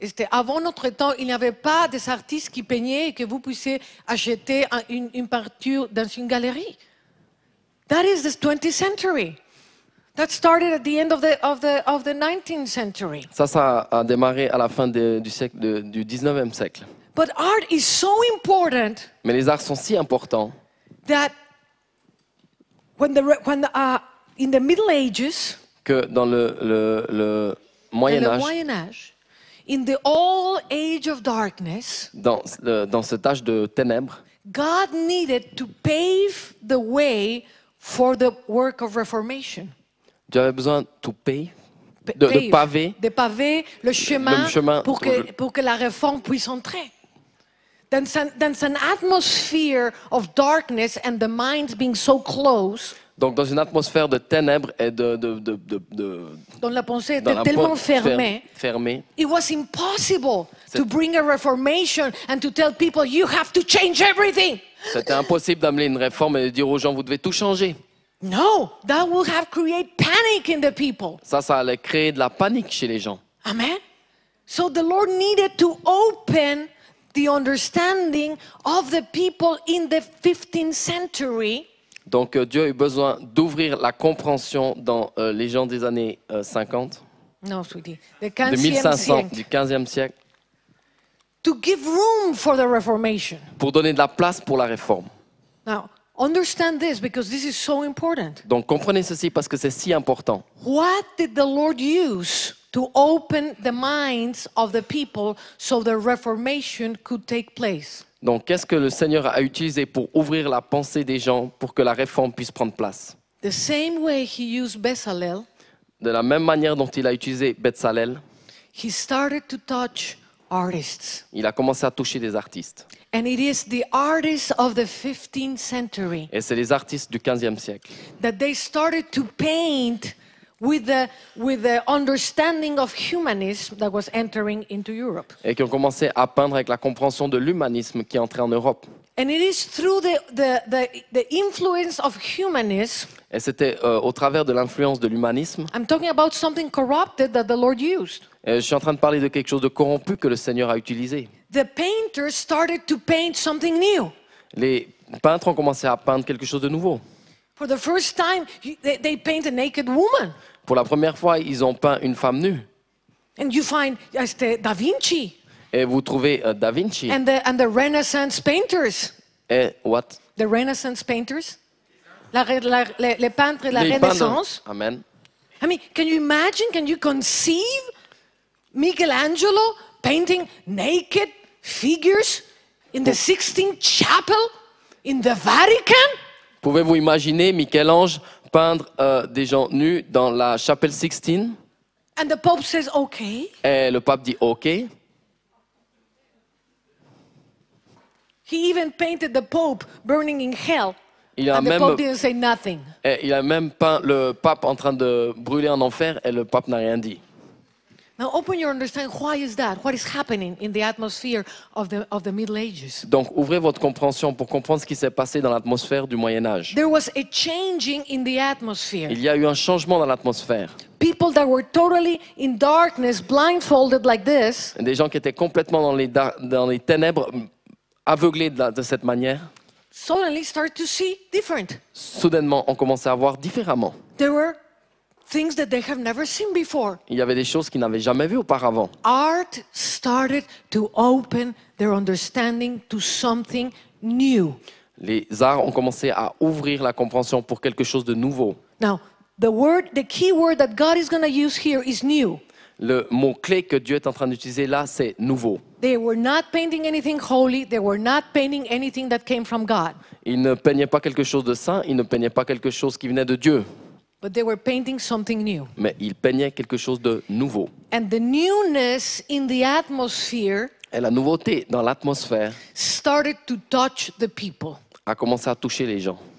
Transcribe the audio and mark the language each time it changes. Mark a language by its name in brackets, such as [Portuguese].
[French] Avant notre temps, il n'y avait pas des artistes qui peignaient et que vous puissiez acheter une peinture dans une galerie. [English] That is the 20th century. That started at the end of the 19th century. [French] Ça a démarré à la fin du 19e siècle. [English] But art is so important. [French] Mais les arts sont si importants. [English] That in the Middle Ages. [French] Que dans le Moyen Âge. [English] In the old age of darkness. [French] Dans cet âge de ténèbres. [English] God needed to pave the way for the work of reformation. [French] Dieu avait besoin [English] to pave. [French] De paver. De paver le chemin, pour que la réforme puisse entrer. Dans une atmosphère [English] of darkness and the minds being so close. [French] Donc dans une atmosphère de ténèbres et de dans la pensée était tellement fermée. [English] It was impossible to bring a reformation and to tell people you have to change everything. [French] C'était impossible d'amener une réforme et de dire aux gens vous devez tout changer. [English] No, that will have created panic in the people. [French] Ça allait créer de la panique chez les gens. [English] Amen. So the Lord needed to open the understanding of the people in the 15th century. [French] Donc Dieu a eu besoin d'ouvrir la compréhension dans les gens des années 50. [English] Non, sweetie. The 1500, [French] du 15e siècle. [English] To give room for the reformation. [French] Pour donner de la place pour la réforme. [English] Now, understand this because this is so important. [French] Donc comprenez ceci parce que c'est si important. [English] What did the Lord use to open the minds of the people so the reformation could take place? [French] Donc, qu'est-ce que le Seigneur a utilisé pour ouvrir la pensée des gens pour que la réforme puisse prendre place? [English] The same way he used Bezalel, [French] de la même manière dont il a utilisé Bezalel, [English] he started to touch artists. [French] Il a commencé à toucher des artistes. [English] And it is the artists of the 15th century, [French] et c'est les artistes du 15e siècle [English] that they started to paint with the understanding of humanism that was entering into Europe. [French] Et qui ont commencé à peindre avec la compréhension de l'humanisme qui est entré en Europe. [English] And it is through the influence of humanism. [French] Et c'était au travers de l'influence de l'humanisme. [English] I'm talking about something corrupted that the Lord used. [French] Et je suis en train de parler de quelque chose de corrompu que le Seigneur a utilisé. [English] The painters started to paint something new. [French] Les peintres ont commencé à peindre quelque chose de nouveau. [English] For the first time, they paint a naked woman. [French] Pour la première fois, ils ont peint une femme nue. [English] And you find Da Vinci. [French] Et vous trouvez Da Vinci. [English] And the Renaissance painters. [French] Et [English] what? The Renaissance painters. [French] Les peintres de la Renaissance. [English] Amen. I mean, can you imagine? Can you conceive Michelangelo painting naked figures in the Sixtine Chapel in the Vatican? [French] Pouvez-vous imaginer Michel-Ange peindre des gens nus dans la chapelle Sixtine? [English] And the Pope says okay. [French] Et le pape dit OK. [English] He even painted the Pope burning in hell. Pope didn't say nothing. [French] Et il a même peint le pape en train de brûler en enfer et le pape n'a rien dit. [English] Now open your understanding. Why is that? What is happening in the atmosphere of the Middle Ages? [French] Donc ouvrez votre compréhension pour comprendre ce qui s'est passé dans l'atmosphère du Moyen Âge. [English] There was a changing in the atmosphere. [French] Il y a eu un changement dans l'atmosphère. [English] People that were totally in darkness, blindfolded like this. [French] Des gens qui étaient complètement dans les ténèbres, aveuglés de cette manière. [English] Suddenly started to see different. [French] Soudainement, on commençait à voir différemment. [English] There were things that they have never seen before. [French] Il y avait des choses qu'ils n'avaient jamais vues auparavant. [English] Art started to open their understanding to something new. [French] Les arts ont commencé à ouvrir la compréhension pour quelque chose de nouveau. [English] Now, the key word that God is going to use here is new. [French] Le mot clé que Dieu est en train d'utiliser là, c'est nouveau. [English] They were not painting anything holy. They were not painting anything that came from God. [French] Ils ne peignaient pas quelque chose de saint. Ils ne peignaient pas quelque chose qui venait de Dieu. [English] But they were painting something new. [French] Mais ils peignaient quelque chose de nouveau. [English] And the newness in the atmosphere. [French] Et la nouveauté dans l'atmosphère. [English] Started to touch the people. [French] A commencé à toucher les gens.